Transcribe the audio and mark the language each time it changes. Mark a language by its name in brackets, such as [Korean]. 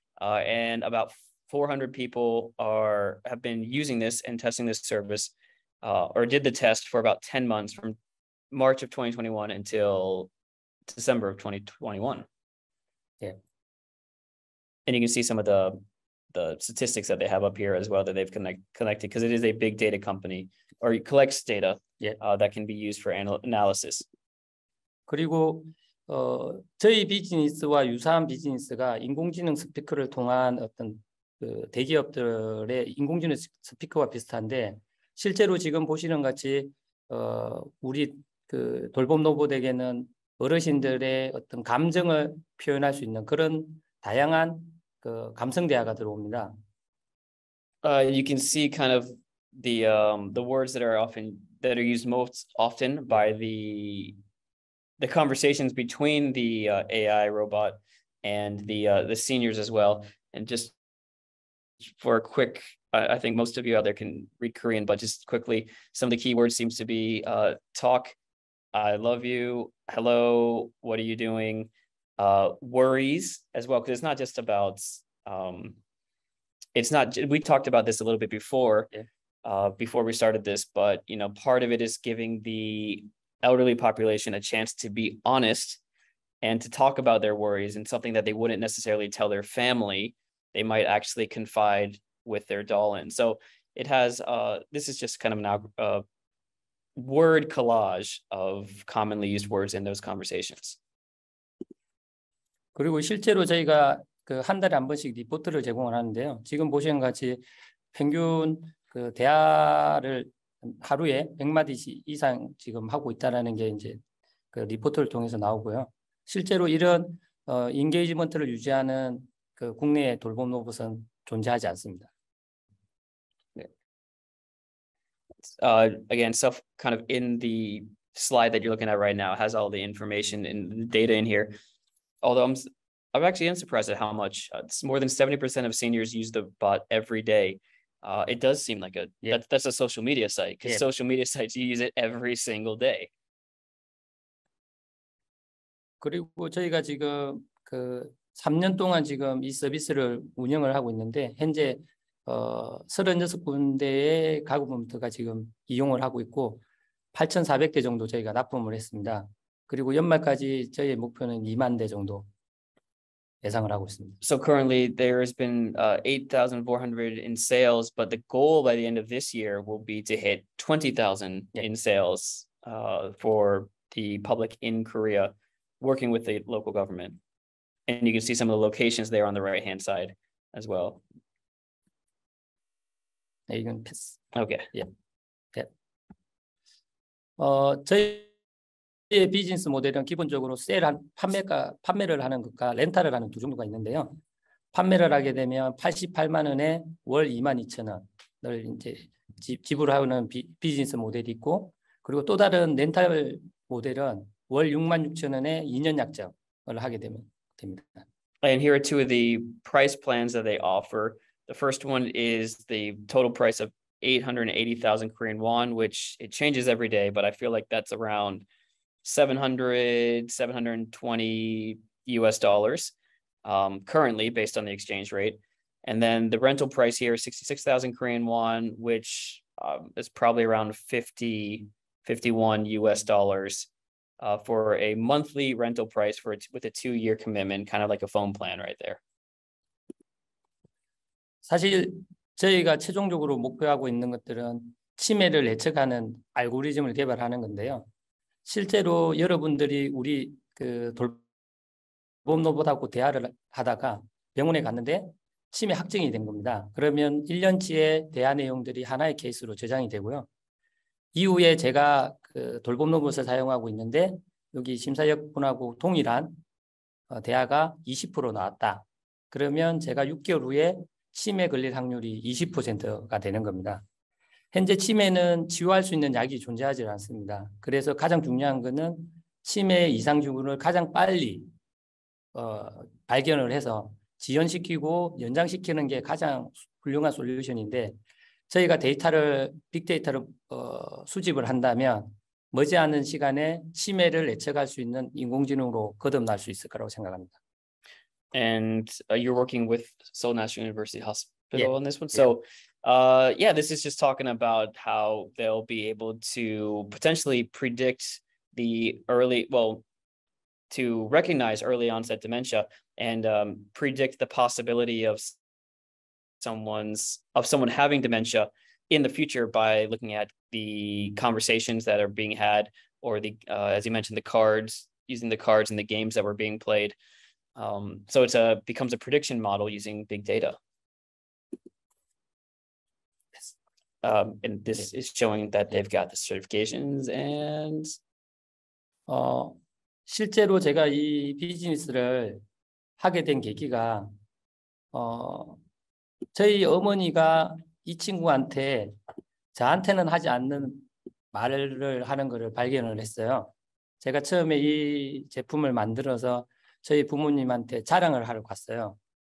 [English] And about 400 people have been using this and testing this service, or did the test for about 10 months from March of 2021 until December of 2021. Yeah. And you can see some of the statistics that they have up here as well that they've connected, because it is a big data company or it collects data, yeah, that can be used for analysis. [Korean] 그리고 저희 비즈니스와 유사한 비즈니스가 인공지능 스피커를 통한 어떤 그 대기업들의 인공지능 스피커와 비슷한데 실제로 지금 보시는 같이 우리 그 돌봄 로봇에게는 어르신들의 어떤 감정을 표현할 수 있는 그런 다양한 그 감성 대화가 들어옵니다. [English] You can see kind of the words that are used most often by the conversations between the AI robot and the seniors as well, and just for a quick, I think most of you out there can read Korean, but just quickly, some of the keywords seems to be talk, I love you, hello, what are you doing, worries as well, because it's not just about, we talked about this a little bit before, yeah, before we started this, but, you know, part of it is giving the elderly population a chance to be honest and to talk about their worries and something that they wouldn't necessarily tell their family. They might actually confide with their doll in. So it has, this is just kind of a word collage of commonly used words in those conversations. [Korean] 그리고 실제로 저희가 그 한 달에 한 번씩 리포트를 제공을 하는데요. 지금 보시는 같이 평균 그 대화를 하루에 100마디 이상 지금 하고 있다라는 게 이제 그 리포트를 통해서 나오고요. 실제로 이런 인게이지먼트를 유지하는 그 국내의 돌봄 로봇은 존재하지 않습니다. [English] Again, stuff kind of in the slide that you're looking at right now has all the information and the data in here. Although I'm actually unsurprised at how much it's more than 70% of seniors use the bot every day. It does seem like that's a social media site, because social media sites, you use it every single day. [Korean] 그리고 저희가 지금 그 3년 동안 지금 이 서비스를 운영을 하고 있는데 현재 36군데의 가구부터가 지금 이용을 하고 있고 8,400대 정도 저희가 납품을 했습니다. 그리고 연말까지 저희의 목표는 2만 대 정도 예상을 하고 있습니다. [English] So currently there has been 8,400 in sales, but the goal by the end of this year will be to hit 20,000 in sales for the public in Korea working with the local government. And you can see some of the locations there on the right hand side as well. You can piss. Okay. Yeah. Yeah. [Korean] 저희의 비즈니스 모델은 기본적으로 판매를 하는 것과 렌탈을 하는 두 종류가 있는데요. 판매를 하게 되면 88만 원에 월 22,000 원을 이제 지불하는 비즈니스 모델이 있고, 그리고 또 다른 렌탈 모델은 월 66,000 원에 2년 약정을 하게 되면 [English] And here are two of the price plans that they offer. The first one is the total price of 880,000 Korean won, which it changes every day, but I feel like that's around 720 US dollars currently based on the exchange rate. And then the rental price here is 66,000 Korean won, which is probably around 51 US dollars. For a monthly rental price with a 2-year commitment, kind of like a phone plan right there. [Korean] 사실 저희가 최종적으로 목표하고 있는 것들은 치매를 예측하는 알고리즘을 개발하는 건데요. 실제로 여러분들이 우리 그 돌봄 로봇하고 대화를 하다가 병원에 갔는데 심의 확정이 된 겁니다. 그러면 1년치의 대안 내용들이 하나의 케이스로 저장이 되고요. 이후에 제가 그 돌봄 로봇을 사용하고 있는데 여기 심사역분하고 동일한 대화가 20% 나왔다. 그러면 제가 6개월 후에 치매 걸릴 확률이 20%가 되는 겁니다. 현재 치매는 치유할 수 있는 약이 존재하지 않습니다. 그래서 가장 중요한 것은 치매의 이상징후를 가장 빨리 발견을 해서 지연시키고 연장시키는 게 가장 훌륭한 솔루션인데 저희가 데이터를 빅데이터를 수집을 한다면 머지않은 시간에 치매를 예측할 수 있는 인공지능으로 거듭날 수 있을 거라고 생각합니다. [English] And you're working with Seoul National University Hospital on this one. So yeah, this is just talking about how they'll be able to potentially predict the early, well, to recognize early onset dementia and predict the possibility of someone having dementia in the future by looking at the conversations that are being had, or the as you mentioned, the cards, using the cards and the games that were being played. So it becomes a prediction model using big data. And this is showing that they've got the certifications and [Korean] 실제로 제가 이 비즈니스를 하게 된 계기가 저희 어머니가 이 친구한테 저한테는 하지 않는 말을 하는 것을 발견을 했어요. 제가 처음에 이 제품을 만들어서 저희 부모님한테 자랑을 하러 갔어요.